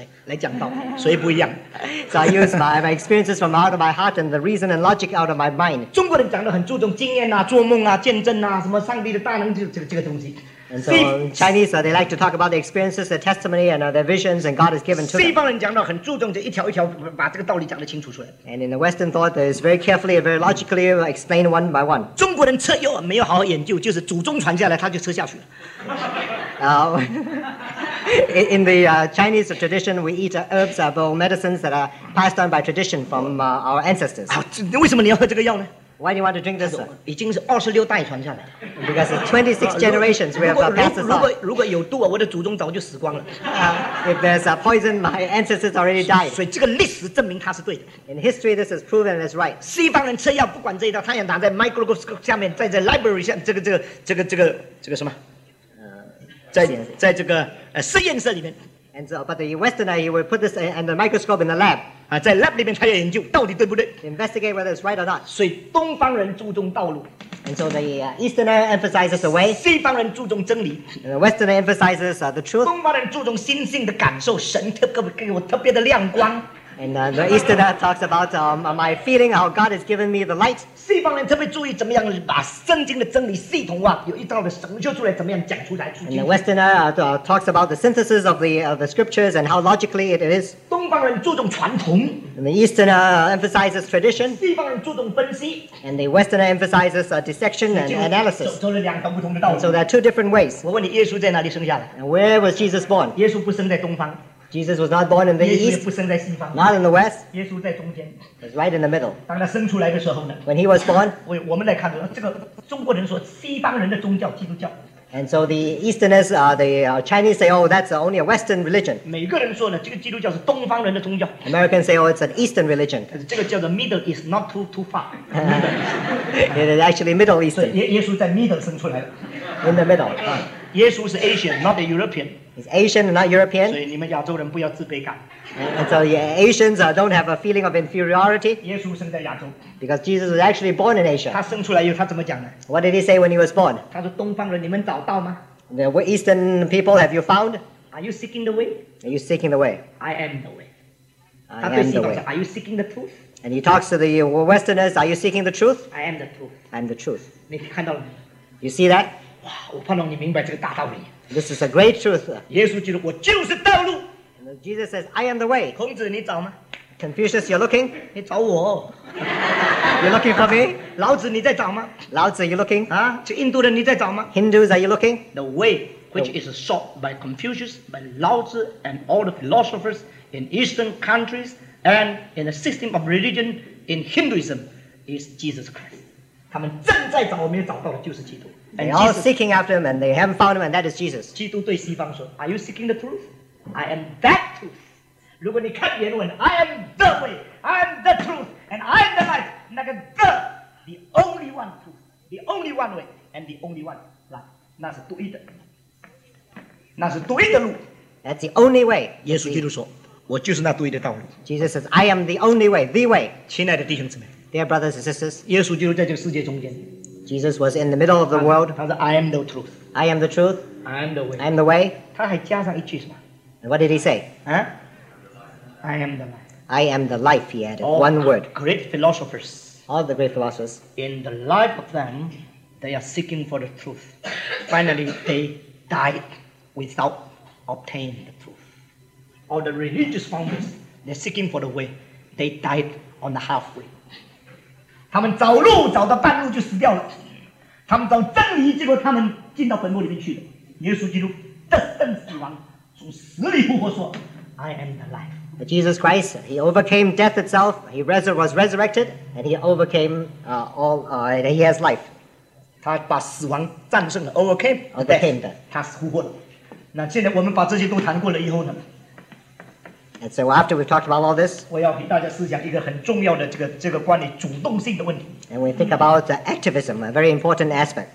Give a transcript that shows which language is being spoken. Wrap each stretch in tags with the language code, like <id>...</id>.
<zh>我用着新的力量，用理的分析配合起来来讲道，所以不一样。So</zh> <en>I use my experiences from out of my heart and the reason and logic out of my mind.</en> <zh>中国人讲得很注重经验啊，做梦啊，见证啊，什么上帝的大能这个东西。</zh> <en>And so Chinese, they like to talk about the experiences, the testimony, and their visions, and God has given to them.</en> <zh>西方人讲到很注重这一条一条把这个道理讲得清楚出来。And</zh> <en>in the Western thought, it's very carefully and very logically explained one by one.</en> <zh>中国人吃药没有好好研究，就是祖宗传下来他就吃下去了。</zh> <en>In the Chinese tradition, we eat herbs, herbal medicines that are passed on by tradition from our ancestors.</en> <zh>为什么你要喝这个药呢?</zh> <en>Why do you want to drink this?</en> <zh>已经是26代传下来。</zh> <en>Because it's 26 generations we have passed this on.</en> <zh>如果有毒啊，我的祖宗早就死光了。</zh> <en>If there's a poison, my ancestors already died.</en> <zh>所以这个历史证明它是对的。</zh> <en>In history, this is proven it's right.</en> <zh>西方人吃药不管这一道，他也拿在 microscope 下面，在 library 下，这个什么，在这个实验室里面。</zh> <en>And so, but the Westerner, he will put this and the microscope in the lab.</en> <zh>在 lab 里面他也研究到底对不对。</zh> <en>Investigate whether it's right or not.</en> <zh>所以东方人注重道路。</zh> <en>And so the Easterner emphasizes the way.</en> <zh>西方人注重真理。</zh> <en>The Westerner emphasizes the truth.</en> <zh>东方人注重心性的感受，神特给我特别的亮光。</zh> <en>And the Easter that talks about my feeling how God has given me the light.</en> <zh>西方人特别注意怎么样把圣经的真理系统化，有一套的神学出来，怎么样讲出来。</zh> <en>And the Westerner talks about the synthesis of the scriptures and how logically it is.</en> <zh>东方人注重传统。</zh> <en>And the Easterner emphasizes tradition.</en> <zh>西方人注重分析。</zh> <en>And the Westerner emphasizes dissection and analysis.</en> <zh>走了两个不同的道路。</zh> <en>And so there are two different ways.</en> <zh>我问你，耶稣在哪里生下来？</zh> <en>And where was Jesus born?</en> <zh>耶稣不生在东方。</zh> <en>Jesus was not born in the east, not in the west. He was right in the middle.</en> <zh>当他生出来的时候呢,</zh> <en>when he was born,</en> <zh>我们来看说, 这个中国人说, 西方人的宗教, 基督教。</zh> <en>And so the Easterners, Chinese say, oh, that's only a Western religion.</en> <zh>每个人说呢, 这个基督教是东方人的宗教。</zh> <en>Americans say, oh, it's an Eastern religion.</en> <zh>这个叫做</zh> <en>Middle East, not too far. It is actually Middle Eastern.</en> <zh>耶稣在 Middle 生出来</zh> <en>的。In the middle.</en> <zh>耶稣是</zh> <en>Asian, not a European. It's Asian and not European.</en> <zh>所以你们亚洲人不要自卑感。</zh> <en>And so the Asians don't have a feeling of inferiority.</en> <zh>耶稣生在亚洲。</zh> <en>Because Jesus was actually born in Asia.</en> <zh>他生出来以后他怎么讲呢？</zh> <en>What did he say when he was born?</en> <zh>他说东方人你们找到吗？</zh> <en>The Eastern people have you found? Are you seeking the way? Are you seeking the way? I am the way. I am the way. Are you seeking the truth? And he talks to the Westerners, are you seeking the truth? I am the truth. I am the truth.</en> <zh>你看到了吗？</zh> <en>You see that?</en> <zh>哇，我盼望你明白这个大道理。</zh> <en>This is a great truth.</en> <zh>耶稣基督，我就是道路。</zh> <en>And Jesus says, I am the way.</en> <zh>孔子，你找吗？</zh> <en>Confucius, you're looking?</en> <zh>你找我。</zh> <en>You're looking for me?</en> <zh>老子，你在找吗？</zh> <en>老子, you're looking?</en> <zh>啊，这印度人，你在找吗？</zh> <en>Hindus, are you looking? The way, which is sought by Confucius, by Lao Tzu, and all the philosophers in Eastern countries, and in the system of religion in Hinduism, is Jesus Christ.</en> <zh>他们正在找，我们也找到了，就是基督。</zh> <en>They're all seeking after him, and they haven't found him, and that is Jesus.</en> <zh>基督对西方说,</zh> <en>Are you seeking the truth? I am that truth.</en> <zh>如果你看原文,</zh> <en>I am the way, I am the truth, and I am the light. 那个 the only one truth, the only one way, and the only one life.</en> <zh>那是独一的。那是独一的路。</zh> <en>That's the only way.</en> <zh>耶稣基督说, 我就是那独一的道路。</zh> <en>Jesus says, I am the only way, the way.</en> <zh>亲爱的弟兄姊妹,</zh> <en>Dear brothers and sisters,</en> <zh>耶稣基督在这个世界中间。</zh> <en>Jesus was in the middle of the world.</en> <zh>他说</zh> <en>I am the truth. I am the truth. I am the way. I am the way. 他还加上一句什么? And what did he say? I am the life. I am the life, he added. All one word. Great philosophers. All the great philosophers. In the life of them, they are seeking for the truth. Finally, they died without obtaining the truth. All the religious founders, they're seeking for the way. They died on the halfway.</en> <zh>他们找路找到半路就死掉了，他们找真理，结果他们进到坟墓里面去了。耶稣基督战胜死亡，从死里复活，说 ：</zh> <en>“I am the life.” But Jesus Christ, he overcame death itself. He was resurrected, and he overcame all, and he has life.</en> <zh>他把死亡战胜了 ，</zh> <en>overcame death.</en> <zh>他复活了。那现在我们把这些都谈过了以后呢？</zh> <en>And so after we've talked about all this,</en> <zh>我要给大家思想一个很重要的这个关于主动性的问题。</zh> <en>And we think about the activism, a very important aspect.</en>